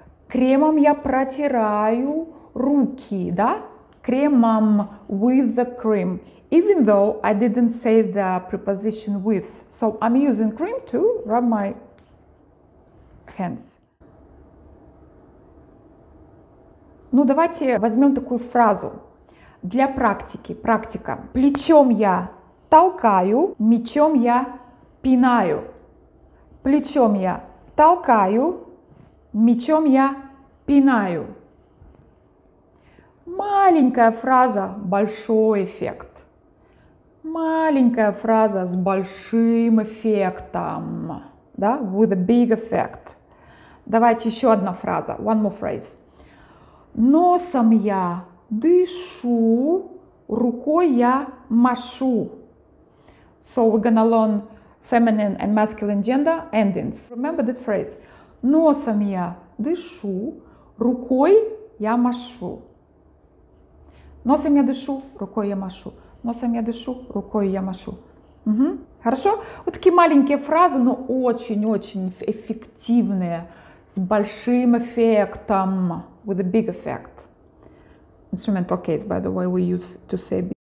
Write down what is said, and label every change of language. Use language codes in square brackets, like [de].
[ru] Кремом я протираю руки, да? Кремом [en] with the cream. Even though I didn't say the preposition with. So I'm using cream to rub my hands. [ru] Ну, давайте возьмем такую фразу для практики. Практика. Плечом я толкаю, мечом я пинаю. Плечом я толкаю, мечом я пинаю. Маленькая фраза, большой эффект. Маленькая фраза с большим эффектом. Да? [en] With a big effect. [ru] Давайте еще одна фраза. [en] One more phrase. [ru] Носом я дышу, рукой я машу. [en] So we're gonna learn feminine and masculine gender endings. Remember this phrase. [ru] Носом я дышу, рукой я машу. Носом я дышу, рукой я машу. Носом я дышу, рукой я машу. Хорошо? Вот такие маленькие фразы, но очень-очень эффективные, с большим эффектом, [en] with a big effect. Instrumental case, by the way, we use to say.